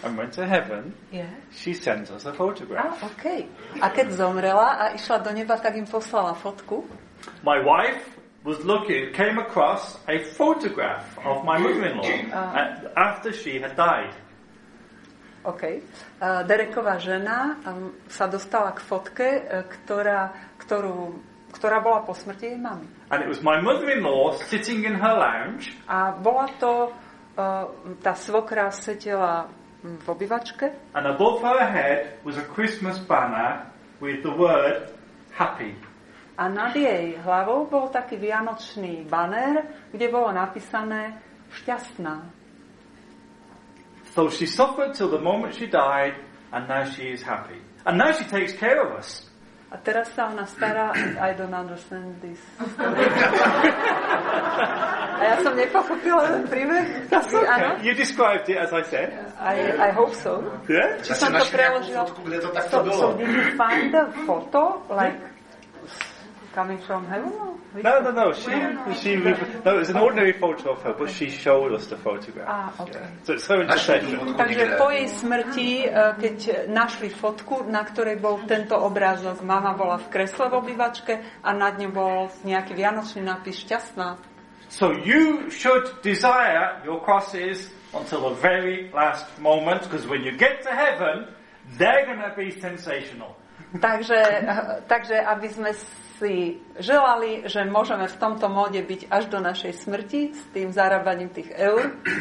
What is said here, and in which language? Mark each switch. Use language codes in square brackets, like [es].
[en] and went to heaven, yeah, she sent us a photograph. [sk] Ah, okay. A keď zomrela a išla do neba, tak im poslala fotku. [en] My wife was looking, came across a photograph of my mother-in-law after she had died. OK. [sk] Dereková žena sa dostala k fotke, ktorá bola po smrti jej mami. [en] And it was my mother-in-law sitting in her lounge. [sk] A bola to tá svokra sedela v obývačke. [en] And above her head was a Christmas banner with the word happy. [sk] A nad jej hlavou bol taký vianočný banér, kde bolo napísané šťastná. [en] So she suffered till the moment she died and now she is happy. And now she takes care of us. [sk] A teraz sa ona stará, [en] I don't understand this. [sk] A ja som nepochopila ten príbeh. [en] That's okay. You described it, as I said. I hope so. Yeah? [sk] Či som to preložila? [en] So did you find the photo, like, coming from heaven? No. No, it's an ordinary photo of her, but she showed us the photograph. Ah, okay. Yeah. So it's so interesting. [sk] Takže po jej smrti, keď našli fotku, na ktorej bol tento obrázok, mama bola v kresle v obývačke a nad ňou bol nejaký vianočný nápis šťastná. [en] So you should desire your crosses until the very last moment, because when you get to heaven, they're going to be sensational. [sk] Takže aby sme si želali, že môžeme v tomto móde byť až do našej smrti s tým zarábaním tých eur.